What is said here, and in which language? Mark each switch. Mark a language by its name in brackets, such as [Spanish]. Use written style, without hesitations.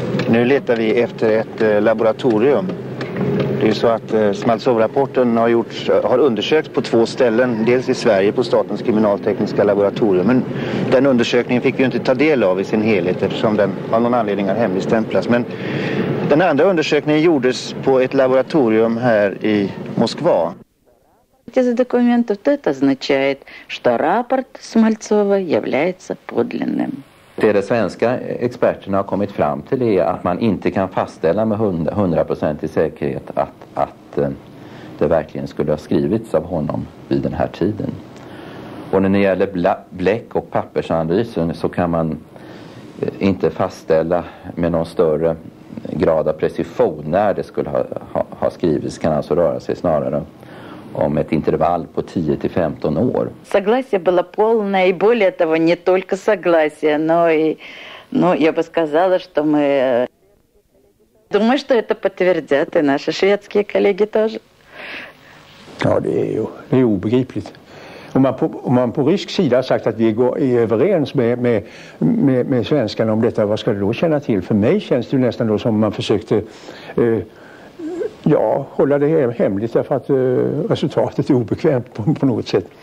[Swedish] Nu letar vi efter ett laboratorium. Det är så att Smaltsoff-rapporten har undersökts på 2 ställen, dels i Sverige på Statens kriminaltekniska laboratorium, men den undersökningen fick vi inte ta del av i sin helhet eftersom den av någon anledning har hemligstämplats. Men den andra undersökningen gjordes på ett laboratorium här i Moskva. [Russian] Из документов это означает, что рапорт Смальцова является подлинным. [Swedish] Det de svenska experterna har kommit fram till är att man inte kan fastställa med 100% säkerhet att det verkligen skulle ha skrivits av honom vid den här tiden. Och när det gäller bläck- och pappersanalysen så kan man inte fastställa med någon större grad av precision när det skulle ha skrivits. Kan alltså röra sig snarare om ett intervall på 10-15 år. [Russian] Согласие было полное, и более того, не только согласие, но и, ну, я бы сказала, что мы думаю, что это подтвердят и наши шведские коллеги тоже. [Swedish] Ja, det är obegripligt. Om man på rysk sida har sagt att vi är överens med svenskarna om detta, vad ska det då känna till? För mig känns det ju nästan då som man försökte hålla det hemligt därför att resultatet är obekvämt på något sätt.